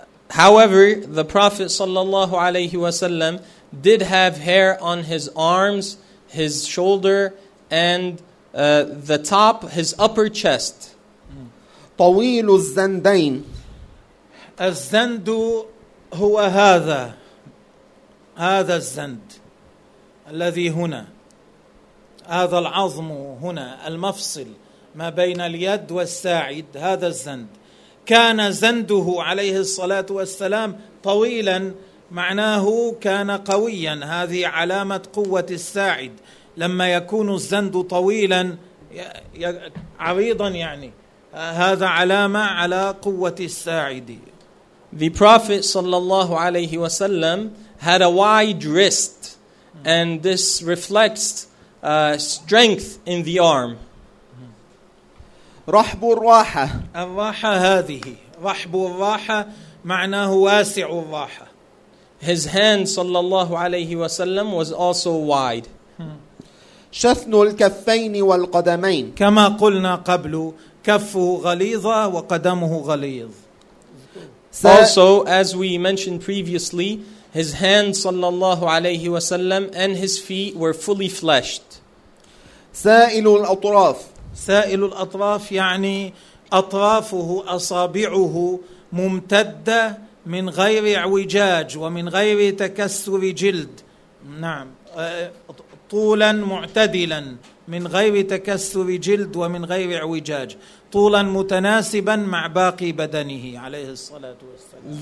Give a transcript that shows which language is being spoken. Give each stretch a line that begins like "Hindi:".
English: However, the Prophet
Arabic: sallallahu alayhi wasallam
English: did have hair on his arms, his shoulder, and the top, his upper chest.
Arabic: طويل الزندين. الزند هو هذا الزند الذي هنا. هذا العظم هنا المفصل ما بين اليد والساعد هذا الزند كان زنده عليه الصلاة والسلام طويلا معناه كان قويا هذه علامة قوة الساعد لما يكون الزند طويلا عريضا يعني هذا علامة على قوة الساعد.
English: The Prophet
Arabic: sallallahu alayhi wasallam
English: had a wide wrist and this reflects strength in the arm.
Arabic: رحب الراحة. الراحة هذه. رحب الراحة معناه واسع الراحة.
English: His hand,
Arabic: صلى الله عليه وسلم,
English: was also wide.
Arabic: شثن الكفين والقدمين. كما قلنا قبل كفه غليظة وقدمه غليظ.
English: Also, as we mentioned previously, his hand,
Arabic: صلى الله عليه وسلم,
English: and his feet were fully fleshed.
Arabic: سائل الأطراف. سائل الأطراف يعني أطرافه أصابعه ممتدة من غير اعوجاج ومن غير تكسر جلد. نعم طولا معتدلا من غير تكسر جلد ومن غير اعوجاج طولا متناسبا مع باقي بدنه عليه الصلاة والسلام.